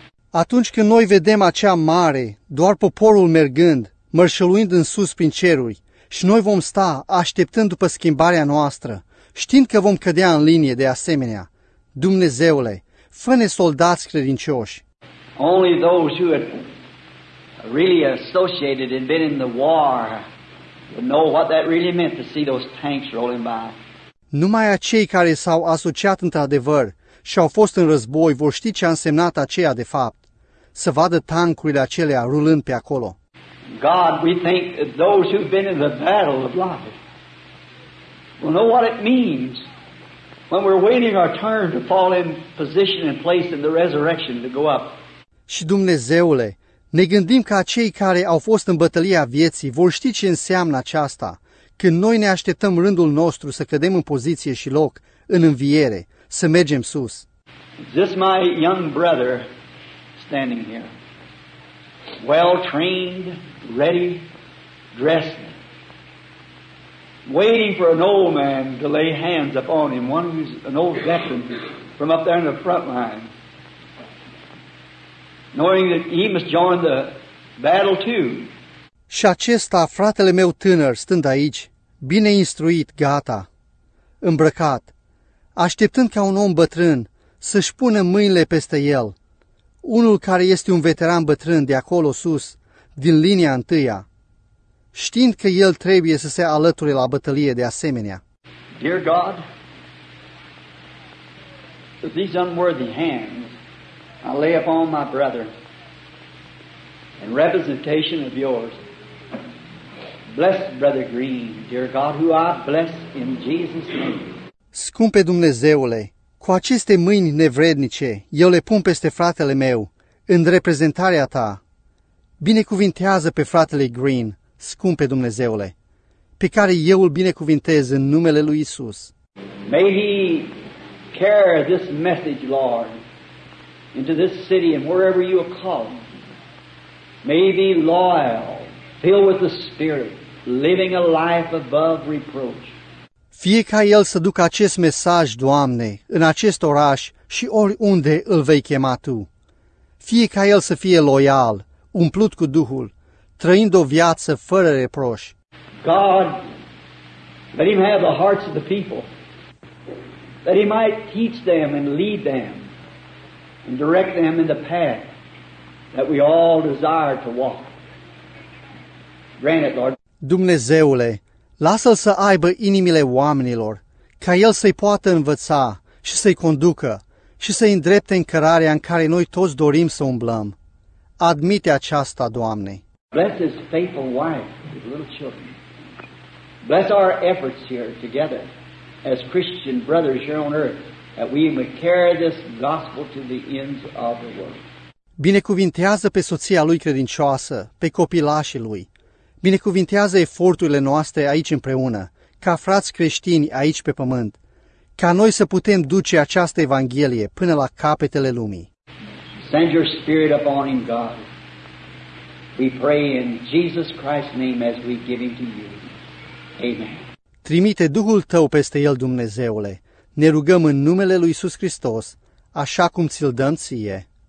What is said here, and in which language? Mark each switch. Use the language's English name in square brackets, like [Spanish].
[Romanian] Atunci când noi vedem acea mare, doar poporul mergând, mărșăluind în sus prin ceruri, și noi vom sta așteptând după schimbarea noastră, știind că vom cădea în linie de asemenea, Dumnezeule, fă-ne soldați credincioși. [English] Only those who had really associated and been in the war would know what that really meant to see those tanks rolling by. [Romanian] Numai acei care s-au asociat într-adevăr și au fost în război vor ști ce a însemnat aceea de fapt, să vadă tancurile acelea rulând pe acolo. [English] God, we think those who've been in the battle of life will know what it means when we're waiting our turn to fall in position and place in the resurrection to go up. [Romanian] Și Dumnezeule, ne gândim că acei care au fost în bătălia vieții vor ști ce înseamnă aceasta, când noi ne așteptăm rândul nostru să cădem în poziție și loc, în înviere, să mergem sus. [English] This my young brother standing here, well trained, ready, dressed, waiting for an old man to lay hands upon him, one who's an old veteran from up there in the front line, knowing that he must join the battle too. [Romanian] Și acesta, fratele meu tânăr, stând aici, bine instruit, gata, îmbrăcat, așteptând ca un om bătrân să-și pună mâinile peste el, unul care este un veteran bătrân de acolo sus, din linia întâia, știind că el trebuie să se alăture la bătălie de asemenea. [English] Dear God, with these unworthy hands, I lay upon my brother in representation of yours. Bless Brother Green, dear God, who I bless in Jesus' name. [Romanian] Scumpe Dumnezeule, cu aceste mâini nevrednice, eu le pun peste fratele meu, în reprezentarea ta. Binecuvintează pe fratele Green, scumpe Dumnezeule, pe care eu îl binecuvintez în numele lui Isus. [English] May he carry this message, Lord, into this city and wherever you are called. May he be loyal, filled with the Spirit, living a life above reproach. [Romanian] Fie ca el să ducă acest mesaj, Doamne, în acest oraș și oriunde îl vei chema Tu. Fie ca el să fie loial, umplut cu Duhul, trăind o viață fără reproș. [English] God, let him have the hearts of the people, that he might teach them and lead them and direct them in the path that we all desire to walk. Grant it, Lord. [Romanian] Dumnezeule, lasă-l să aibă inimile oamenilor, ca el să-i poată învăța și să-i conducă și să-i îndrepte în cărarea în care noi toți dorim să umblăm. Admite aceasta, Doamne. [English] Bless his faithful wife with little children. Bless our efforts here together as Christian brothers here on earth that we may carry this gospel to the ends of the world. [Romanian] Binecuvintează pe soția lui credincioasă, pe copilașii lui. Binecuvintează eforturile noastre aici împreună, ca frați creștini aici pe pământ, ca noi să putem duce această evanghelie până la capetele lumii. [English] Send your spirit upon him, God. We pray in Jesus Christ's name as we give him to you. Amen. [Romanian] Trimite Duhul tău peste el, Dumnezeule. Ne rugăm în numele lui Iisus Hristos, așa cum ți-l dăm ție.